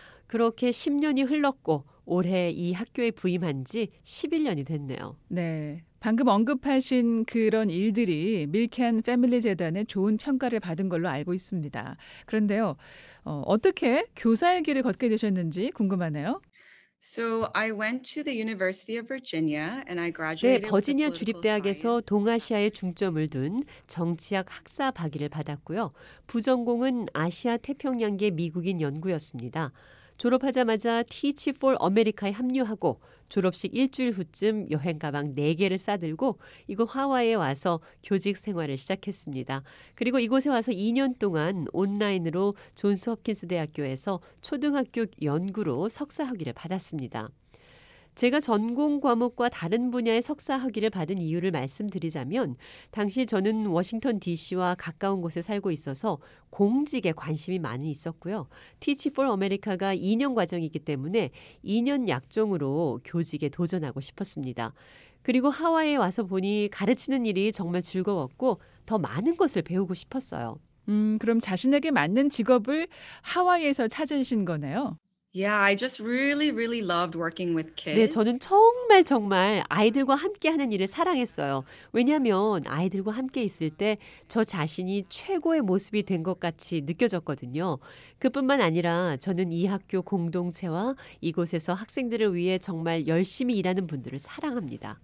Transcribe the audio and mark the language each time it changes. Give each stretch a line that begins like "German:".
Korean: 그렇게 10년이 흘렀고 올해 이 학교에 부임한 지 11년이 됐네요. 네, 방금 언급하신 그런 일들이 밀켄 패밀리 재단의 좋은 평가를 받은 걸로 알고 있습니다. 그런데요, 어떻게 교사의 길을 걷게 되셨는지 궁금하네요.
English: So I went to the University of Virginia and I graduated.
Korean: 네, 버지니아 주립대학에서 동아시아에 중점을 둔 정치학 학사 박위를 받았고요. 부전공은 아시아 태평양계 미국인 연구였습니다. 졸업하자마자 Teach for America에 합류하고 졸업식 일주일 후쯤 여행 가방 4개를 싸들고 이곳 하와이에 와서 교직 생활을 시작했습니다. 그리고 이곳에 와서 2년 동안 온라인으로 존스홉킨스 대학교에서 초등학교 연구로 석사 학위를 받았습니다. 제가 전공 과목과 다른 분야의 석사 학위를 받은 이유를 말씀드리자면 당시 저는 워싱턴 DC와 가까운 곳에 살고 있어서 공직에 관심이 많이 있었고요. Teach for America가 2년 과정이기 때문에 2년 약정으로 교직에 도전하고 싶었습니다. 그리고 하와이에 와서 보니 가르치는 일이 정말 즐거웠고 더 많은 것을 배우고 싶었어요. 그럼 자신에게 맞는 직업을 하와이에서 찾으신 거네요?
English: Yeah, I just really, really loved working with kids.
Korean: 네, 저는 정말 정말 아이들과 함께하는 일을 사랑했어요. 왜냐하면 아이들과 함께 있을 때 저 자신이 최고의 모습이 된 것 같이 느껴졌거든요. 그뿐만 아니라 저는 이 학교 공동체와 이곳에서 학생들을 위해 정말 열심히 일하는 분들을 사랑합니다.